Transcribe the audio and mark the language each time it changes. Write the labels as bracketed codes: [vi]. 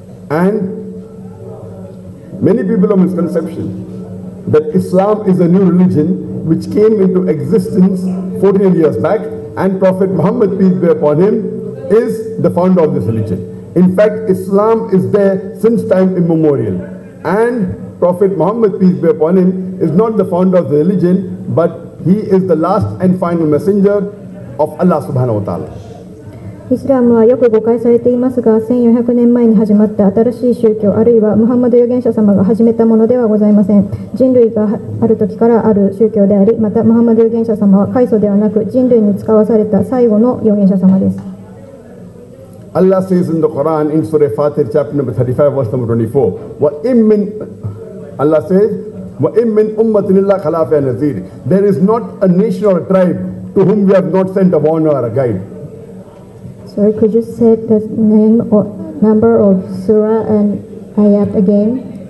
[en] And many people have misconception that Islam is a new religion which came into existence 14 years back, and Prophet Muhammad, peace be upon him, is the founder of this religion. In fact, Islam is there since time immemorial, and Prophet Muhammad, peace be upon him, is not the founder of the religion, but he is the last and final messenger of Allah subhanahu wa ta'ala. [ja] イスラムはよく誤解されていますが、1400年前に始まった新しい宗教、あるいはムハンマド預言者様が始めたものではございません。人類がある時からある宗教であり、またムハンマド預言者様は開祖ではなく人類に使わされた最後の預言者様です。 [en] Allah says in the Quran in Surah Fatir chapter number 35 verse number 24 Allah says [ar] wa in min ummatin illa khalafi nazir, [en] there is not a nation or a tribe to whom we have not sent a warner or a guide. Sorry, could you say the name or number of surah and ayat again?